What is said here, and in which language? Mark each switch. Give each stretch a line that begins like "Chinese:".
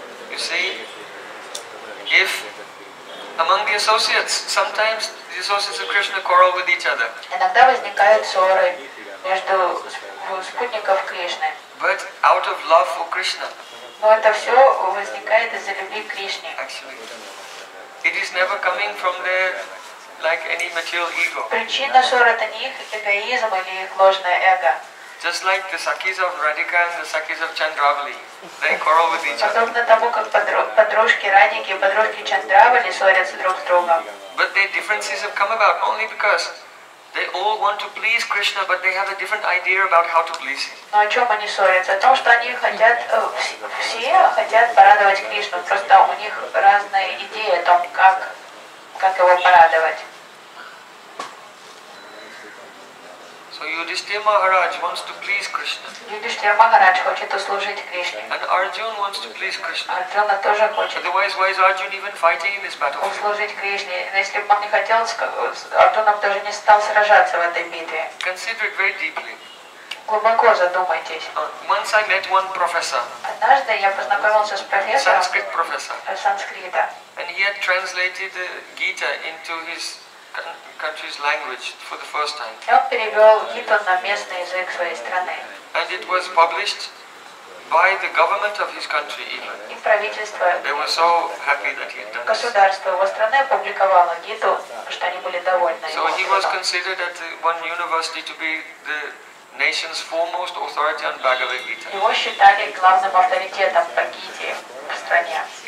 English: You see, if among the associates, sometimes the associates of Krishna quarrel with each other.
Russian: Иногда возникают ссоры между спутников Кришны.
English: But out of love for Krishna.
Russian: Но это все возникает из-за любви к Кришне.
English: Actually, it is never coming from their like any material ego.
Russian: Причина ссоры это не их эгоизм или их ложное эго.
English: Just like the sakis of Radhika and the sakis of Chandravali, they quarrel with each other.
Russian: Подобно тому, как подружки Радики и подружки Чандравали ссорятся друг с другом.
English: But their differences have come about only because they all want to please Krishna, but they have a different idea about how to please him.
Russian: Но о чем они ссорятся? О том, что они хотят все хотят порадовать Кришну, просто у них разные идеи о том, как его порадовать.
English: So Yudhishthira Maharaj wants to please Krishna.
Russian: Yudhishthira Maharaj хочет услужить Кришне.
English: And Arjuna wants to please Krishna.
Russian: Arjuna тоже хочет.
English: Otherwise, why is Arjuna even fighting in this battle?
Russian: Услужить Кришне. Но если бы он не хотел, Arjuna бы даже не стал сражаться в этой битве.
English: Consider it very deeply.
Russian: Глубоко задумайтесь.
English: Once I met one professor.
Russian: Однажды я познакомился с профессором.
English: Sanskrit professor.
Russian: Санскрита.
English: And he had translated the Gita into his country's language for the first time.
Russian: Он перевел Гиту на местный язык своей страны.
English: And it was published by the government of his country even.
Russian: И правительство.
English: They were so happy that he had done.
Russian: Государство его страны опубликовало Гиту, что они были довольны.
English: So he was considered at one university to be the nation's foremost authority on Bhagavad Gita.
Russian: Его считали главным авторитетом по Гите в стране.